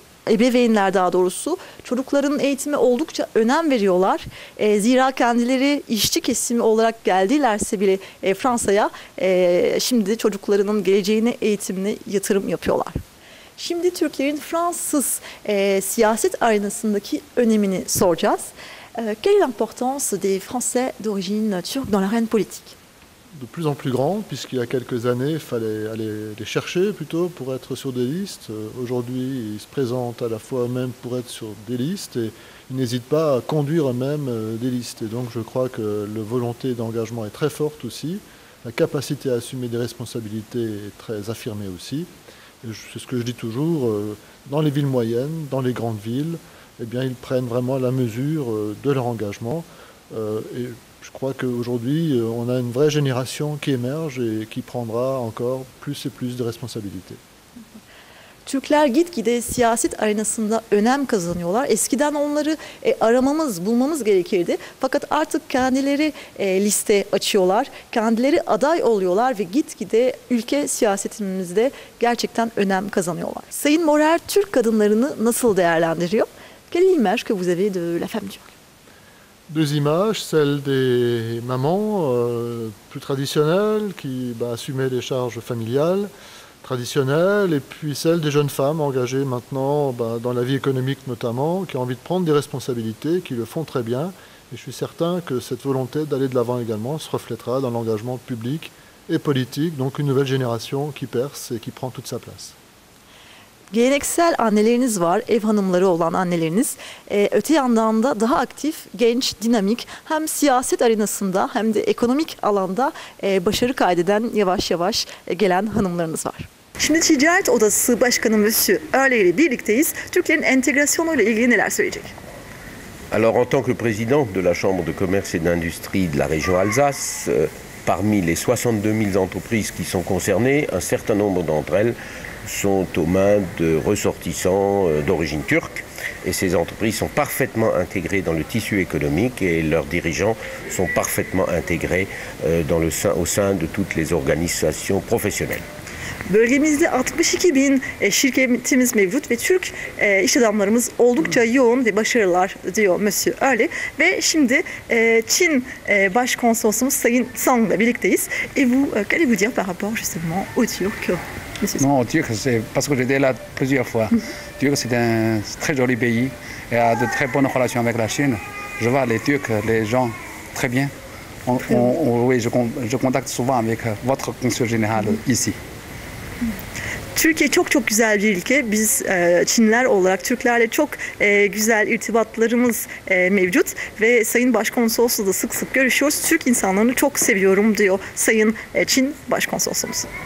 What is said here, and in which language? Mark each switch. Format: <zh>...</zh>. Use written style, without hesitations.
<tr>Ebeveynler daha doğrusu çocukların eğitime oldukça önem veriyorlar. Zira kendileri işçi kesimi olarak geldilerse bile Fransa'ya şimdi çocuklarının geleceğine eğitimine yatırım yapıyorlar. Şimdi Türklerin Fransız siyaset arenasındaki önemini soracağız.</tr> <fr>Quelle est l'importance des Français d'origine turque dans l'arène politique? De plus en plus grand, puisqu'il y a quelques années, il fallait aller les chercher plutôt pour être sur des listes. Aujourd'hui, ils se présentent à la fois eux-mêmes pour être sur des listes et ils n'hésitent pas à conduire eux-mêmes des listes. Et donc, je crois que la volonté d'engagement est très forte aussi. La capacité à assumer des responsabilités est très affirmée aussi. Et c'est ce que je dis toujours, dans les villes moyennes, dans les grandes villes, eh bien, ils prennent vraiment la mesure de leur engagement. Et je crois qu'aujourd'hui, on a une vraie génération qui émerge et qui prendra encore plus et plus de responsabilités.</fr> <tr>Türkler gitgide siyaset arenasında önem kazanıyorlar. Eskiden onları aramamız, bulmamız gerekirdi. Fakat artık kendileri liste açıyorlar, kendileri aday oluyorlar ve gitgide ülke siyasetimizde gerçekten önem kazanıyorlar. Sayın Moer, Türk kadınlarını nasıl değerlendiriyor?</tr> <fr>Quelle image que vous avez de la femme turque? Deux images, celle des mamans plus traditionnelles qui assumaient les charges familiales traditionnelles et puis celle des jeunes femmes engagées maintenant dans la vie économique notamment, qui ont envie de prendre des responsabilités, qui le font très bien. Et je suis certain que cette volonté d'aller de l'avant également se reflétera dans l'engagement public et politique, donc une nouvelle génération qui perce et qui prend toute sa place.</fr> <tr>Geleneksel anneleriniz var, ev hanımları olan anneleriniz. Öte yandan da daha aktif, genç, dinamik, hem siyaset arenasında hem de ekonomik alanda başarı kaydeden, yavaş yavaş gelen hanımlarınız var. Şimdi Ticaret Odası Başkanı Monsieur Öğle ile birlikteyiz. Türklerin entegrasyonuyla ilgili neler söyleyecek?</tr> <fr>Alors, en tant que président de la Chambre de commerce et d'industrie de la région Alsace, parmi les 62 000 entreprises qui sont concernées, un certain nombre d'entre elles sont aux mains de ressortissants d'origine turque. Et ces entreprises sont parfaitement intégrées dans le tissu économique et leurs dirigeants sont parfaitement intégrés au sein de toutes les organisations professionnelles.</fr> <tr>Bölgemizde 62 bin şirketimiz mevcut ve Türk iş adamlarımız oldukça yoğun ve başarılılar diyor Monsieur Ali. Ve şimdi Çin Başkonsolosumuz Sayın Song ile birlikteyiz.</tr> <fr>Et vous, qu'allez vous dire par rapport justement aux Turcs? Non, aux Turcs, c'est parce que j'étais là plusieurs fois. Turcs, c'est un très joli pays et a de très bonnes relations avec la Chine. Je vois les Turcs, les gens très bien. Je contacte souvent avec votre consul général ici.</fr> <tr>Türkiye çok çok güzel bir ülke. Biz Çinliler olarak Türklerle çok güzel irtibatlarımız mevcut ve Sayın Başkonsolosu da sık sık görüşüyoruz. Türk insanlarını çok seviyorum diyor Sayın Çin Başkonsolosumuz.</tr>